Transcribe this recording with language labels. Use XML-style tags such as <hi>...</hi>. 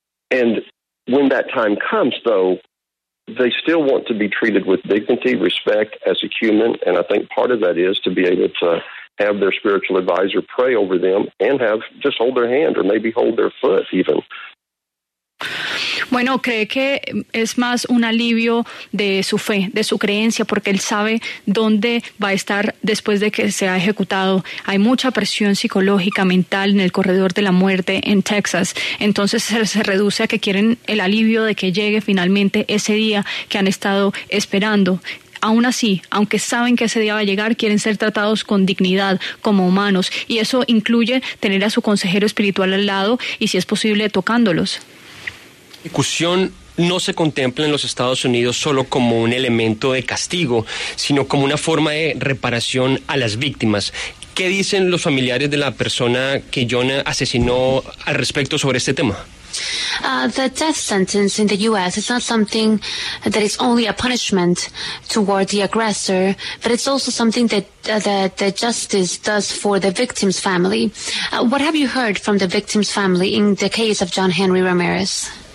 <en>And when that time comes, though, they still want to be treated with dignity, respect as a human. And I think part of that is to be able to have their spiritual advisor pray over them and have just hold their hand or maybe hold their foot even.</en> <es>Bueno, cree que es más un alivio de su fe, de su creencia, porque él sabe dónde va a estar después de que sea ejecutado. Hay mucha presión psicológica, mental en el corredor de la muerte en Texas. Entonces se reduce a que quieren el alivio de que llegue finalmente ese día que han estado esperando. Aún así, aunque saben que ese día va a llegar, quieren ser tratados con dignidad, como humanos. Y eso incluye tener a su consejero espiritual al lado y, si es posible, tocándolos. La ejecución no se contempla en los Estados Unidos solo como un elemento de castigo, sino como una forma de reparación a las víctimas. ¿Qué dicen los familiares de la persona que John asesinó al respecto sobre este tema?</es> <en>The death sentence in the U.S. is not something that is only a punishment toward the aggressor, but it's also something that justice does for the victim's family. What have you heard from the victim's family in the case of John Henry Ramirez?</en>